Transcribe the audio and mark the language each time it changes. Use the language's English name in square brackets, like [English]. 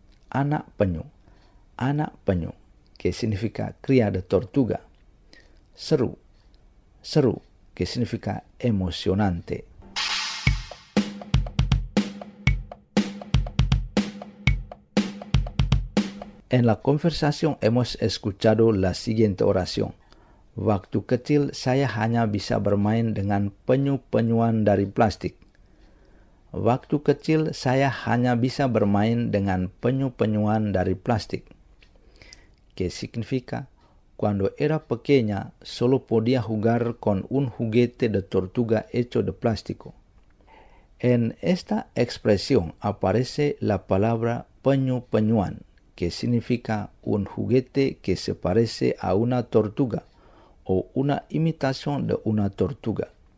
[Indonesian] Anak penyu. Anak penyu, [Spanish] que significa cría de tortuga. [Indonesian] Seru. [Spanish] Seru, que significa emocionante. En la conversación hemos escuchado la siguiente oración. [Indonesian] Waktu kecil, saya hanya bisa bermain dengan penyu-penyuan dari plastik. Waktu kecil, saya hanya bisa bermain dengan penyu-penyuan dari plastik. [Spanish] Que significa, cuando era pequeña, solo podía jugar con un juguete de tortuga hecho de plástico. En esta expresión aparece la palabra penyu-penyuan, que significa un juguete que se parece a una tortuga o una imitación de una tortuga.